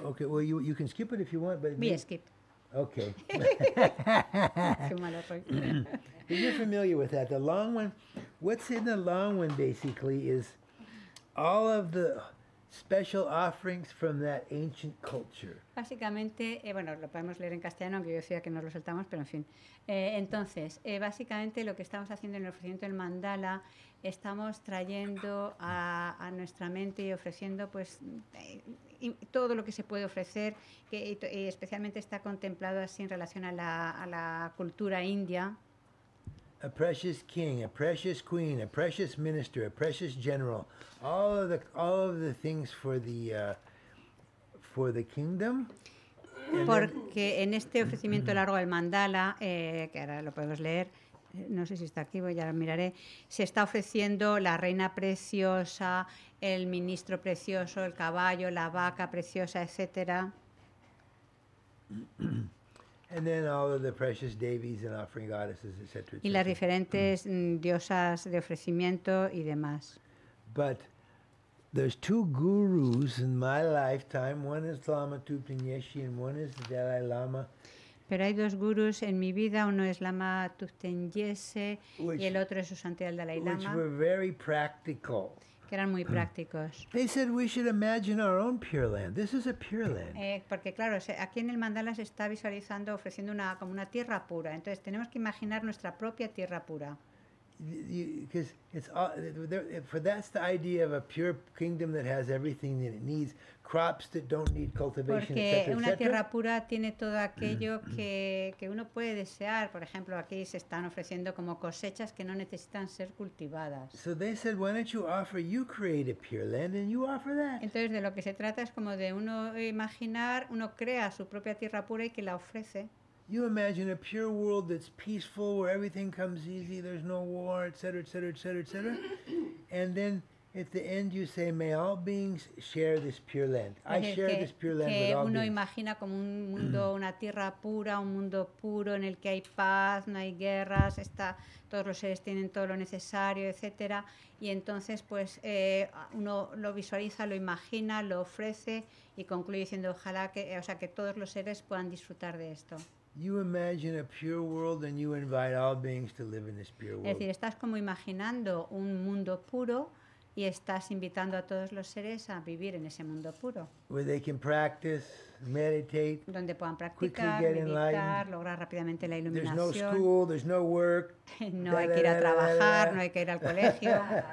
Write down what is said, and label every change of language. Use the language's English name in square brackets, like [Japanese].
[English] Okay, well, you can skip it if you want. But me, skip. Okay. But you're familiar with that. The long one, what's in the long one basically is all of the special offerings from that ancient culture. [Spanish] Básicamente, bueno, lo podemos leer en castellano, aunque yo decía que nos lo saltamos, pero en fin. Entonces, básicamente lo que estamos haciendo en el ofrecimiento del mandala, estamos trayendo a nuestra mente y ofreciendo pues todo lo que se puede ofrecer, que y especialmente está contemplado así en relación a la cultura india. [English] A precious king, a precious queen, a precious minister, a precious general, all of the things for the kingdom. [Spanish] Porque en este ofrecimiento largo del mandala, que ahora lo podemos leer, no sé si está activo, ya lo miraré, se está ofreciendo la reina preciosa, el ministro precioso, el caballo, la vaca preciosa, etcétera. [English] And then all of the precious devis and offering goddesses, etc. [Spanish] Y las diferentes diosas de ofrecimiento y demás. [English] But there's two gurus in my lifetime. One is Lama Tupin Yeshi and one is the Dalai Lama. [Spanish] Pero hay dos gurus en mi vida. Uno es Lama Tupin Yeshe y el otro es Usante el Dalai Lama. [English] Which were very practical. [Spanish] Que eran muy prácticos. [English] They said we should imagine our own Pure Land. This is a Pure Land. [Spanish] Porque claro, aquí en el mandala se está visualizando, ofreciendo una como una tierra pura. Entonces tenemos que imaginar nuestra propia tierra pura. [English] Because it's all, for that's the idea of a pure kingdom that has everything that it needs, crops that don't need cultivation, etc. [Spanish] Porque una tierra pura tiene todo aquello que uno puede desear. Por ejemplo, aquí se están ofreciendo como cosechas que no necesitan ser cultivadas. [English] So they said, why don't you offer? You create a pure land and you offer that. [Spanish] Entonces, de lo que se trata es como de uno imaginar, uno crea su propia tierra pura y que la ofrece. [English] You imagine a pure world that's peaceful, where everything comes easy, there's no war, etc., etc., etc., etc. And then at the end you say, may all beings share this pure land. I share this pure land with all beings. [Spanish] Que uno imagina como un mundo, una tierra pura, un mundo puro en el que hay paz, no hay guerras, está, todos los seres tienen todo lo necesario, etc. Y entonces pues uno lo visualiza, lo imagina, lo ofrece y concluye diciendo, ojalá que, o sea, que todos los seres puedan disfrutar de esto. [English] You imagine a pure world and you invite all beings to live in this pure world. [Spanish] Es decir, estás como imaginando un mundo puro y estás invitando a todos los seres a vivir en ese mundo puro. [English] Where they can practice, meditate, [Spanish] donde puedan practicar, meditar, lograr rápidamente la iluminación. [English] There's no school, there's no work. [Spanish] No hay que ir a trabajar, no hay que ir al colegio.